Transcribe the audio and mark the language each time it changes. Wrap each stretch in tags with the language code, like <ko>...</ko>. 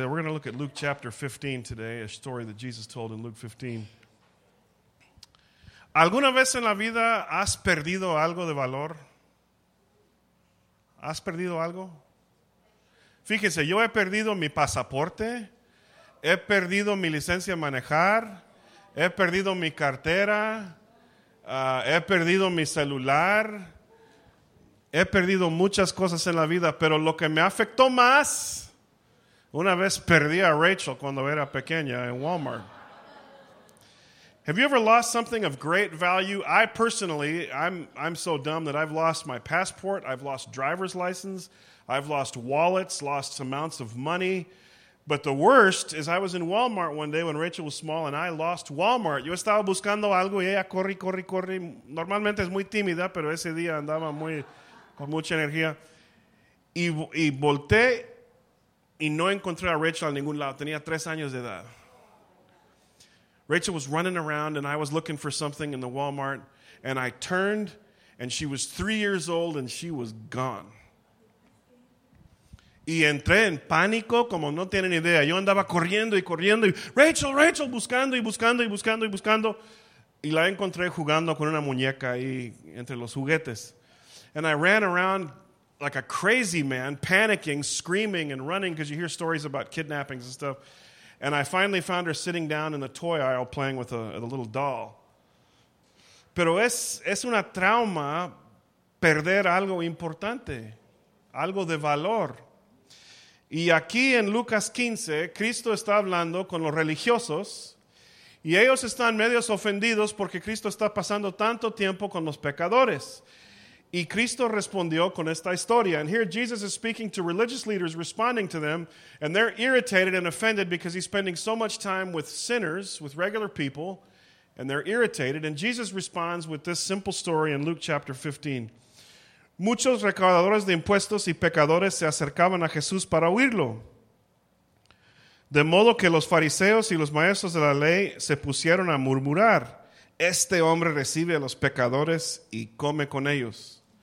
<en>We're going to look at Luke chapter 15 today, a story that Jesus told in Luke 15.</en> <es>¿Alguna vez en la vida has perdido algo de valor? ¿Has perdido algo? Fíjense, yo he perdido mi pasaporte, he perdido mi licencia de manejar, he perdido mi cartera, he perdido mi celular, he perdido muchas cosas en la vida, pero lo que me afectó más, una vez perdí a Rachel cuando era pequeña en Walmart.</es> <en>Have you ever lost something of great value? I personally, I'm so dumb that I've lost my passport, I've lost driver's license, I've lost wallets, lost amounts of money. But the worst is I was in Walmart one day when Rachel was small and I lost Walmart.</en> <es>Yo estaba buscando algo y ella corre. Normalmente es muy tímida, pero ese día andaba muy con mucha energía. Y volteé y no encontré a Rachel en ningún lado. Tenía 3 años de edad.</es> <en>Rachel was running around and I was looking for something in the Walmart and I turned and she was 3 years old and she was gone.</en> <es>Y entré en pánico como no tienen idea. Yo andaba corriendo y Rachel, buscando. Y la encontré jugando con una muñeca ahí entre los juguetes.</es> <en>And I ran around like a crazy man, panicking, screaming and running because you hear stories about kidnappings and stuff. And I finally found her sitting down in the toy aisle playing with a little doll.</en> <es>Pero es una trauma perder algo importante, algo de valor. Y aquí en Lucas 15, Cristo está hablando con los religiosos y ellos están medios ofendidos porque Cristo está pasando tanto tiempo con los pecadores. Y Cristo respondió con esta historia.</es> <en>And here Jesus is speaking to religious leaders, responding to them, and they're irritated and offended because he's spending so much time with sinners, with regular people, and they're irritated. And Jesus responds with this simple story in Luke chapter 15.</en> <es>Muchos recaudadores de impuestos y pecadores se acercaban a Jesús para oírlo. De modo que los fariseos y los maestros de la ley se pusieron a murmurar. Este hombre recibe a los pecadores y come con ellos.</es>